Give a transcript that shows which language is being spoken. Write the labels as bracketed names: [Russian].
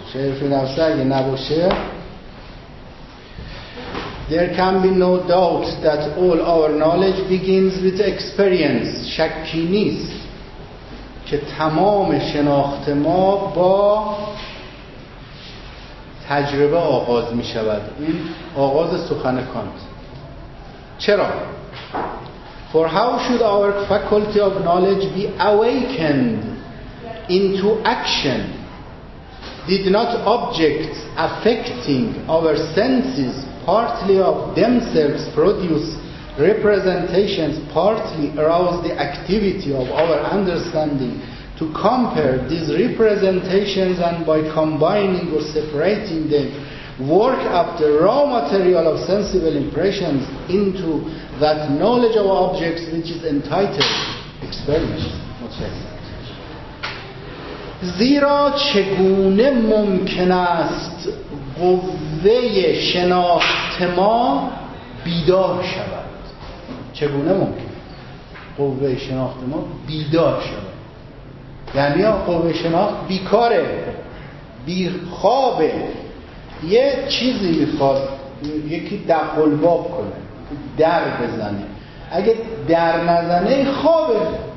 [Persian] شعر فی نفسه اگه نباشه [English] There can be no doubt that all our knowledge begins with experience. [Persian] شکی نیست که تمام شناخت ما با تجربه آغاز میشود. این آغاز سخن کانت. چرا؟ [English] For how should our faculty of knowledge be awakened into action did not objects affecting our senses partly of themselves produce representations partly arouse the activity of our understanding to compare these representations and by combining or separating them work up the raw material of sensible impressions into that knowledge of objects which is entitled experience. [Persian] زیرا چگونه ممکن است قوه شناخت ما بیدار شود؟ چگونه ممکن قوه شناخت ما بیدار شود؟ یعنی قوه شناخت بیکاره، بیخوابه، یه چیزی میخواد یکی دخل باب کنه، در بزنه، اگه در نزنه خوابه.